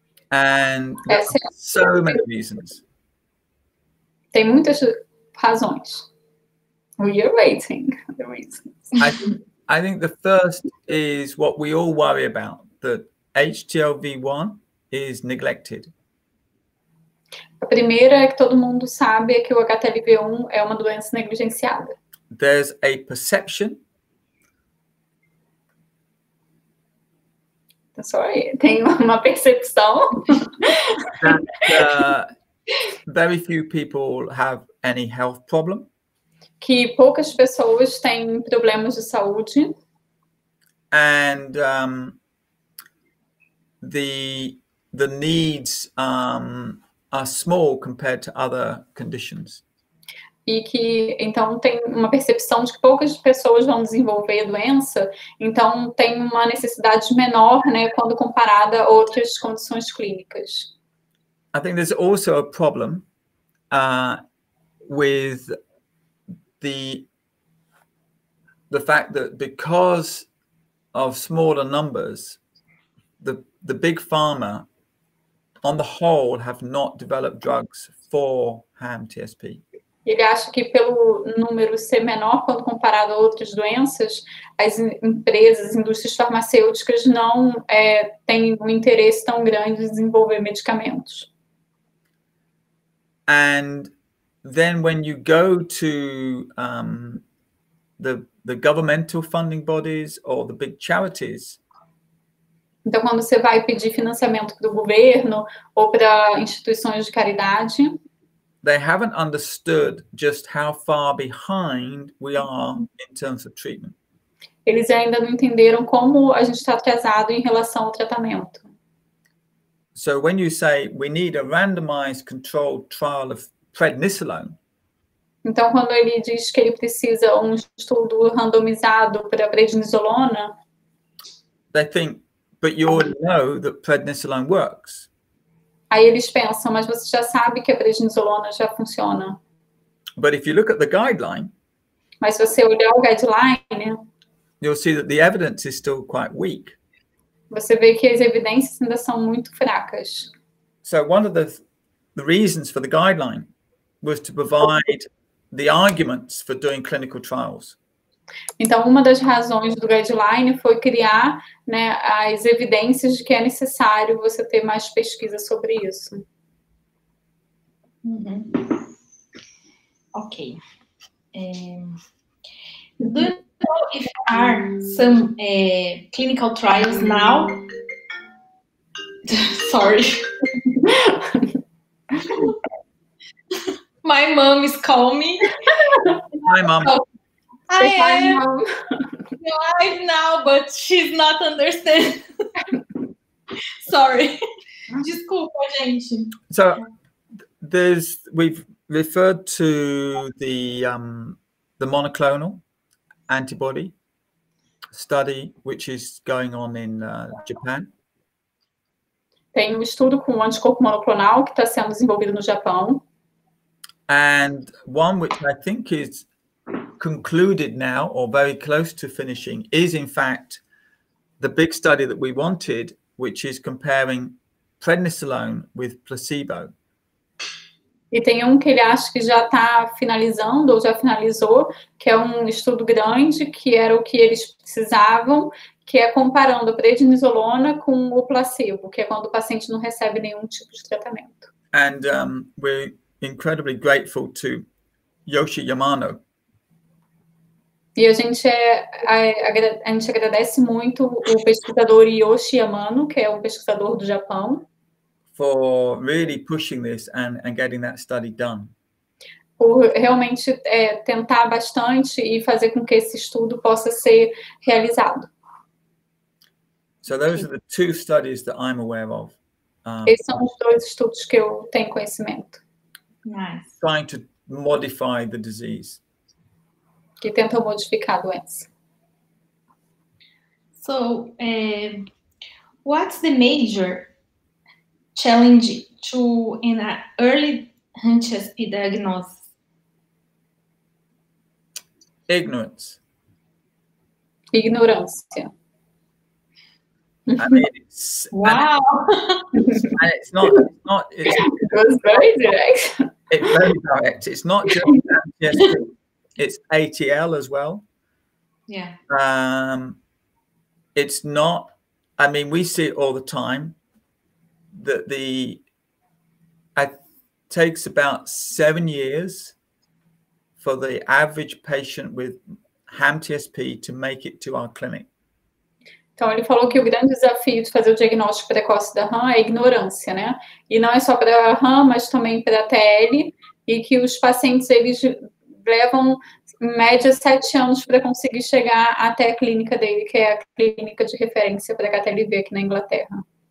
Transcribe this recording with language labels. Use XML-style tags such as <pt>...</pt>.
<en>And so many reasons.</en> <pt>Tem muitas razões.</pt> <en>We're waiting the reasons. I think the first is what we all worry about, that HTLV-1 is neglected.</en> <pt>A primeira é que todo mundo sabe que o HTLV-1 é uma doença negligenciada.</pt> <en>There's a perception.</en> <pt>Sorry, tem uma percepção.</pt> <en>That, very few people have any health problem.</en> <pt>Que poucas pessoas têm problemas de saúde.</pt> <en>And the needs are small compared to other conditions.</en> <pt>E que, então, tem uma percepção de que poucas pessoas vão desenvolver a doença. Então, tem uma necessidade menor, né, quando comparada a outras condições clínicas.</pt> <en>I think there's also a problem with the fact that because of smaller numbers, the big pharma, on the whole, have not developed drugs for HAM-TSP.</en> <pt>Ele acha que pelo número ser menor quando comparado a outras doenças, as empresas, as indústrias farmacêuticas não têm um interesse tão grande em desenvolver medicamentos.</pt> <en>And then when you go to the governmental funding bodies or the big charities.</en> <pt>Então, quando você vai pedir financiamento para o governo ou para instituições de caridade.</pt> <en>They haven't understood just how far behind we are in terms of treatment.</en> <pt>Eles ainda não entenderam como a gente está atrasado em relação ao tratamento.</pt> <en>So when you say we need a randomized controlled trial of prednisolone.</en> <pt>Então quando ele diz que ele precisa um estudo randomizado para prednisolona.</pt> <en>They think, but you already know that prednisolone works.</en> <pt>Aí eles pensam, mas você já sabe que a prednisolona já funciona.</pt> <en>But if you look at the guideline.</en> <pt>Mas se você olhar o guideline.</pt> <en>You'll see that the evidence is still quite weak.</en> <pt>Você vê que as evidências ainda são muito fracas.</pt> <en>So one of the reasons for the guideline was to provide the arguments for doing clinical trials.</en> <pt>Então uma das razões do guideline foi criar, né, as evidências de que é necessário você ter mais pesquisa sobre isso. Uhum. Ok.</pt> <en>So if are some clinical trials now? Sorry. My mom is calling me. Hi, mom. I am live now, but she's not understanding.</en> <pt>Sorry. Desculpa, gente.</pt> <en>So we've referred to the monoclonal antibody study, which is going on in Japan.</en> <pt>Tem um estudo com anticorpo monoclonal que está sendo desenvolvido no Japão.</pt> <en>And one which I think is concluded now, or very close to finishing, is in fact the big study that we wanted, which is comparing prednisolone with placebo.</en> <pt>E tem um que ele acha que já está finalizando, ou já finalizou, que é um estudo grande, que era o que eles precisavam, que é comparando a prednisolona com o placebo, que é quando o paciente não recebe nenhum tipo de tratamento.</pt> <en>And we're incredibly grateful to Yoshi Yamano.</en> <pt>E a gente agradece muito o pesquisador Yoshi Yamano, que é um pesquisador do Japão.</pt> <en>For really pushing this and getting that study done.</en> <pt>Por realmente tentar bastante e fazer com que esse estudo possa ser realizado.</pt> <en>So those are the two studies that I'm aware of.</en> <pt>Esses são os dois estudos que eu tenho conhecimento.</pt> <en>Nice. Trying to modify the disease.</en> <pt>Que tentam modificar a doença.</pt> <en>So, what's the major challenge to in an early HSP diagnosis? Ignorance.</en> <pt>Ignorância.</pt> <en>I mean, it's, wow. And it's not very direct. It's very direct. It's not just HSP. It's ATL as well. Yeah. It's not, I mean, we see it all the time. That the it takes about 7 years for the average patient with ham TSP to make it to our clinic.</en> <pt>Então ele falou que o grande desafio de fazer o diagnóstico precoce da RAM é ignorância, né? E não é só para a RAM, mas também para a TL, e que os pacientes eles levam em média 7 anos para conseguir chegar até a clínica dele, que é a clínica de referência para HTLV aqui na Inglaterra.</pt>